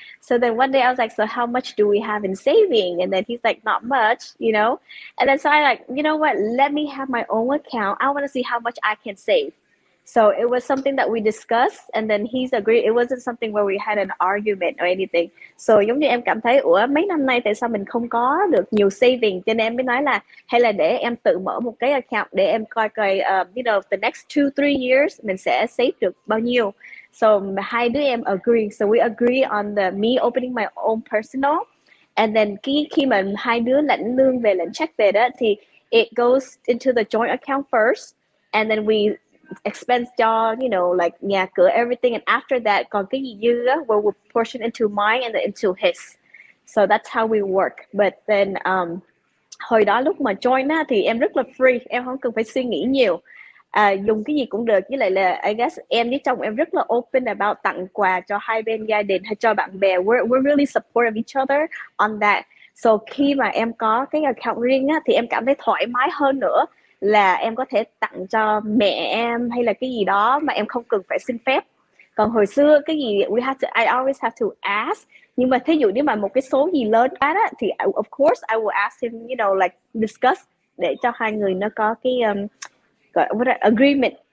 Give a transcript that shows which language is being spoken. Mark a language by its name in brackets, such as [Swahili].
[English] So then one day I was like, so how much do we have in saving? And then he's like, not much, you know? And then so I like, you know what? Let me have my own account. I want to see how much I can save. So it was something that we discussed, and then he's agreed. It wasn't something where we had an argument or anything. [Vietnamese] So giống như em cảm thấy, ủa mấy năm nay tại sao mình không có được nhiều saving? Cho nên em mới nói là, hay là để em tự mở một cái account để em coi coi, [English] you know, the next 2-3 years [Vietnamese] mình sẽ save được bao nhiêu. [English] So [Vietnamese] hai đứa em [English] agree. So we agree on the me opening my own personal, and then [Vietnamese] khi mà hai đứa lãnh lương về lãnh check về đó, thì [English] it goes into the joint account first, and then we expense job, you know, like [Vietnamese] nhà cửa, [English] everything, and after that, [Vietnamese] còn cái gì dư á, [English] we will portion into mine and then into his. So that's how we work. [Vietnamese] But then, hồi đó lúc mà join á, thì em rất là free, em không cần phải suy nghĩ nhiều, dùng cái gì cũng được. Với lại là, [English] I guess [Vietnamese] em với chồng em rất là open about tặng quà cho hai bên gia đình hay cho bạn bè. [English] We're really supportive of each other on that. [Vietnamese] So khi mà em có cái account riêng á, thì em cảm thấy thoải mái hơn nữa. Là em có thể tặng cho mẹ em hay là cái gì đó mà em không cần phải xin phép. Còn hồi xưa cái gì [English] we have to, I always have to ask. [Vietnamese] Nhưng mà thí dụ nếu mà một cái số gì lớn quá đó thì [English] I, of course I will ask him, you know, like discuss [Vietnamese] để cho hai người nó có cái agreement.